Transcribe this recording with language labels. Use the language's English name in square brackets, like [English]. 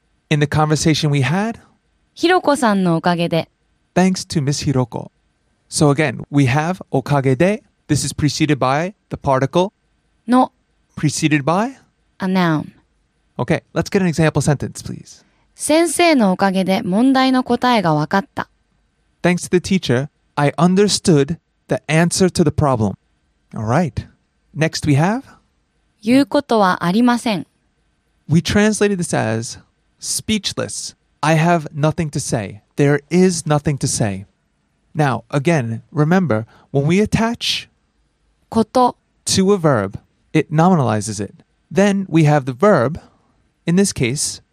[English] In the conversation we had [Japanese] Hiroko san no okage de. [English] Thanks to Miss Hiroko. So again, we have おかげで. This is preceded by the particle [Japanese] の. [English] Preceded by a noun. Okay, let's get an example sentence, please. [Japanese] 先生のおかげで問題の答えがわかった。 [English] Thanks to the teacher, I understood the answer to the problem. Alright, next we have [Japanese] 言うことはありません。 [English] We translated this as speechless. I have nothing to say. There is nothing to say. Now, again, remember, when we attach [Japanese] こと [English] to a verb, it nominalizes it. Then we have the verb, in this case